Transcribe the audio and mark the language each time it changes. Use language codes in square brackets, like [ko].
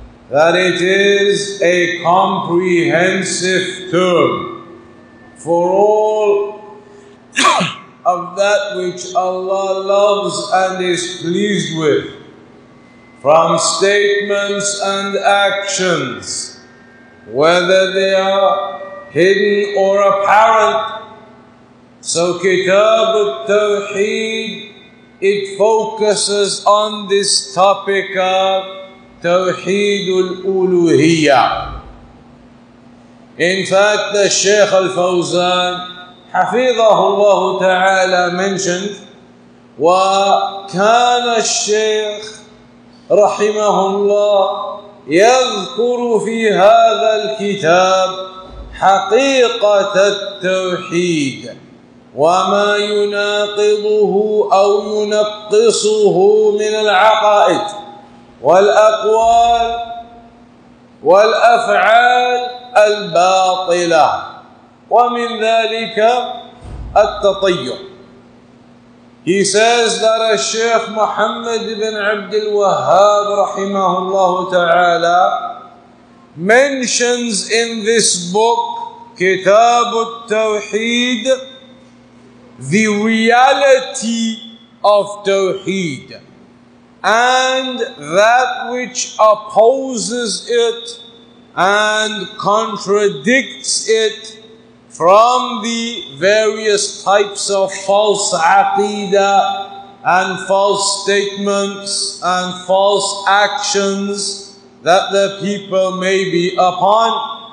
[en] That it is a comprehensive term for all of that which Allah loves and is pleased with, from statements and actions, whether they are hidden or apparent. So Kitab al-Tawheed, it focuses on this topic of Tawheed al-Uluhiyyah. In fact, the Shaykh al-Fawzan [ar] حفظه الله تعالى [en] mentioned, [ar] وكان الشيخ رحمه الله يذكر في هذا الكتاب حقيقة التوحيد وما يناقضه أو ينقصه من العقائد والأقوال والأفعال الباطلة ومن ذلك التطير. [en] He says that Shaykh Muhammad ibn Abdul Wahhab rahimahullah ta'ala mentions in this book, Kitab al-Tawheed, the reality of Tawheed and that which opposes it and contradicts it from the various types of false aqidah and false statements and false actions that the people may be upon.